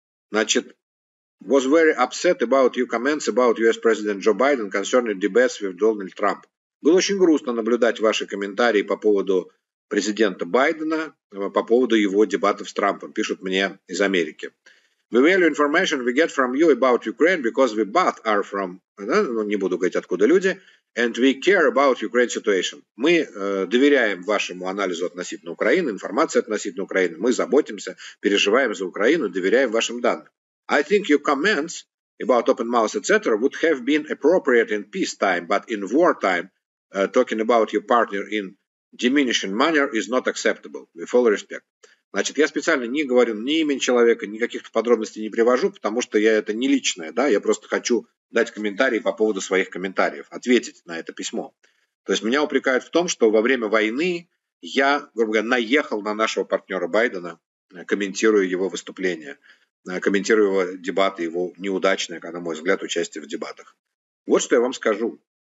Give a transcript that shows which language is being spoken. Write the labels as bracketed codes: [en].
[en] Значит, was very upset about your comments about US President Joe Biden concerning debates with Donald Trump. [ru] Было очень грустно наблюдать ваши комментарии по поводу президента Байдена по поводу его дебатов с Трампом, пишут мне из Америки. [en] We value information we get from you about Ukraine because we both are from, [ru] ну, не буду говорить, откуда люди, [en] and we care about Ukraine situation. [ru] Мы доверяем вашему анализу относительно Украины, информации относительно Украины. Мы заботимся, переживаем за Украину, доверяем вашим данным. [en] I think your comments about open mouth, etc. would have been appropriate in peacetime, but in wartime, talking about your partner in diminishing manner is not acceptable. With all respect. [ru] Значит, я специально не говорю ни имени человека, ни каких-то подробностей не привожу, потому что я это не личное, да, я просто хочу дать комментарии по поводу своих комментариев, ответить на это письмо. То есть меня упрекают в том, что во время войны я, грубо говоря, наехал на нашего партнера Байдена, комментируя его выступление, комментируя его дебаты, его неудачное, на мой взгляд, участие в дебатах. Вот что я вам скажу.